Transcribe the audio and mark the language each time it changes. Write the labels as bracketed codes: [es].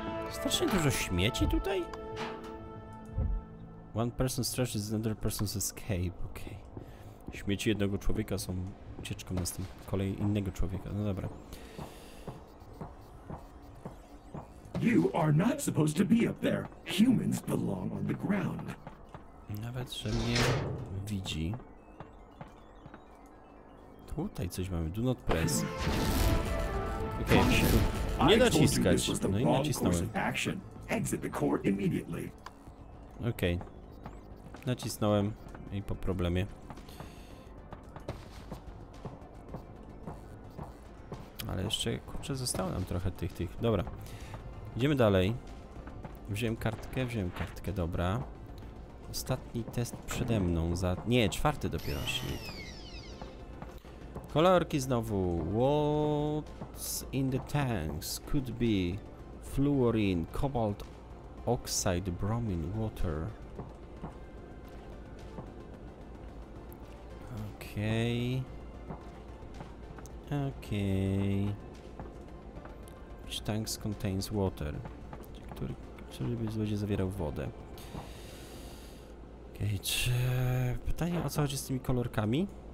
[pl] Strasznie dużo śmieci tutaj. [en] One person's trash is another person's escape. [pl] Okej. Śmieci jednego człowieka są ucieczką na kolej innego człowieka. No dobra. [en] You are not supposed to be up there. Humans belong on the ground. [pl] Nawet że mnie widzi. Tutaj coś mamy. [en] Do not press. [pl] Okej, okay. Nie naciskać. No i nacisnąłem. [en] Exit the core immediately. [pl] Okej. Nacisnąłem i po problemie. Ale jeszcze, kurczę, zostało nam trochę tych. Dobra. Idziemy dalej. Wziąłem kartkę, dobra. Ostatni test przede mną za... Nie, czwarty dopiero, shit. Kolorki znowu. [en] What's in the tanks? Could be fluorine, cobalt oxide, bromine, water. [pl] Okej. Okej. [en] Which tanks contains water? [pl] Który by złodzie zawierał wodę? Okej, czy... Pytanie, o co chodzi z tymi kolorkami?